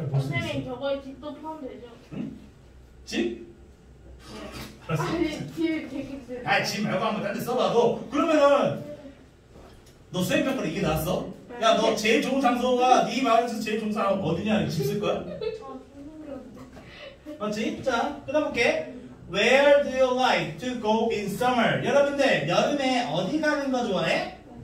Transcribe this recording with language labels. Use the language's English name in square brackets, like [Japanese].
[Korean] 선생님 저거에 집도 포함되죠? 응? 집? 네. 알았어. 아니 집 되게 집 말고 한번 다른 데 써봐. 너 그러면은 너 수행평가로 이게 나왔어? 네. 야, 너 제일 좋은 장소가 네 마을에서 제일 좋은 사람 어디냐? 집 쓸 거야? 맞지? 자, 끊어볼게. [English] Where do you like to go in summer? [Korean] 여러분들 여름에 어디 가는 거 좋아해?